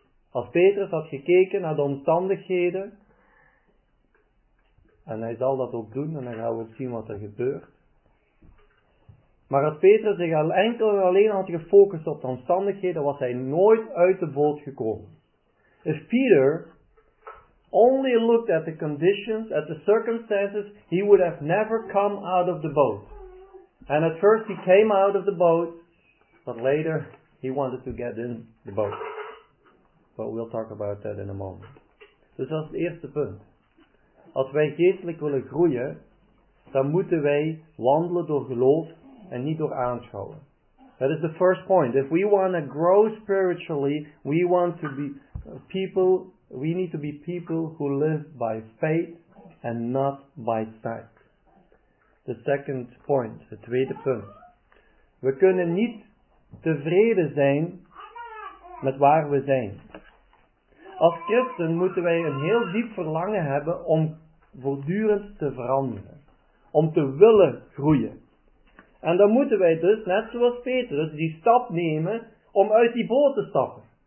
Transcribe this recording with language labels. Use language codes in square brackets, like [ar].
[nl] Als Petrus had gekeken naar de omstandigheden, en hij zal dat ook doen, en dan gaan we zien wat er gebeurt. Maar als Petrus zich enkel en alleen had gefocust op de omstandigheden, was hij nooit uit de boot gekomen. [en] If Peter only looked at the conditions, at the circumstances, he would have never come out of the boat. And at first he came out of the boat, but later he wanted to get in the boat. But we'll talk about that in a moment. [nl] Dus dat is het eerste punt. Als wij geestelijk willen groeien, dan moeten wij wandelen door geloof en niet door aanschouwen. [en] That is the first point. If we want to grow spiritually, we want to be people, we need to be people who live by faith and not by sight. The second point, [nl] het tweede punt. We kunnen niet tevreden zijn met waar we zijn. Als christen moeten wij een heel diep verlangen hebben om voortdurend te veranderen. Om te willen groeien. En dan moeten wij dus, net zoals Petrus, die stap nemen om uit die boot te stappen.